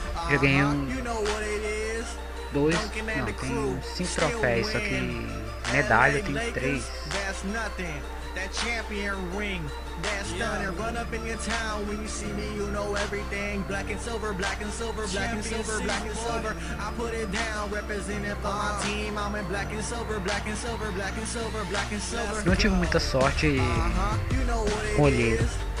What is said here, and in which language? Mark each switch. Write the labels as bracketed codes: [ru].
[pt] Já ganhei 5 troféus, só que medalha eu tenho 3. [en] That's nothing. That champion ring, that's done. Run up in your town when you see me, you know everything. Black and silver, black and silver, black and silver, black and silver. I put it down, representing for my team. I'm in black and silver, black and silver, black and silver, black and silver. [pt] Não tive muita sorte com o olheiro.